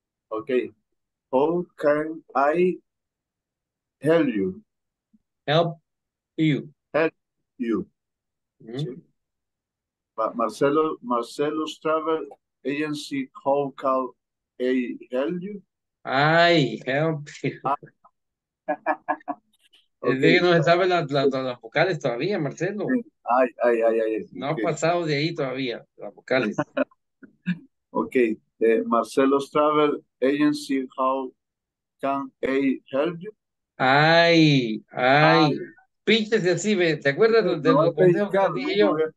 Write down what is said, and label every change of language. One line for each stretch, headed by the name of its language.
English: Okay, how can I help you? Help you. Mm-hmm. But Marcelo's Travel Agency, how can I help you? I help you. Okay.
Spanish: Dije que no se saben las vocales todavía, Marcelo. Ay. No okay. Ha pasado de ahí todavía, las vocales. Ok.
English: Marcelo's Travel Agency, how can I help you?
Spanish: Ay. Píntese así, ¿ves? ¿Te acuerdas de los consejos que dije yo?